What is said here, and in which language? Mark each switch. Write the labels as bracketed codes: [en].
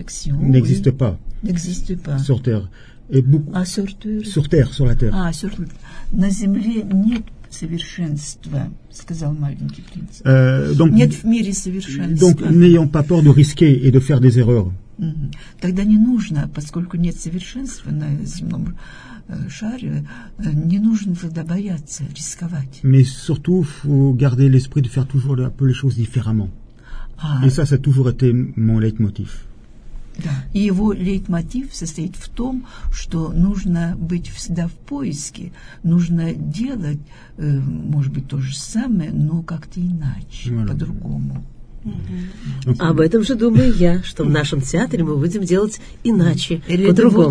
[fr] La perfection n'existe pas. Sur Terre. Sur la Terre. [ru] На Земле нет совершенства, сказал маленький принц. Нет в мире совершенства. [fr] Donc, n'ayons pas peur de risquer et de faire des erreurs. [ru] Тогда не нужно, поскольку нет совершенства на земном шаре, не нужно тогда бояться рисковать. [fr] Mais surtout, faut garder l'esprit de faire toujours un peu les choses différemment. Et ça, ça a toujours été mon leitmotiv. [ru] Да. Его лейтмотив состоит в том, что нужно быть всегда в поиске, нужно делать, может быть, то же самое, но как-то иначе, mm-hmm. по-другому. Mm-hmm. Об этом же думаю я, что в нашем театре мы будем делать иначе, по-другому.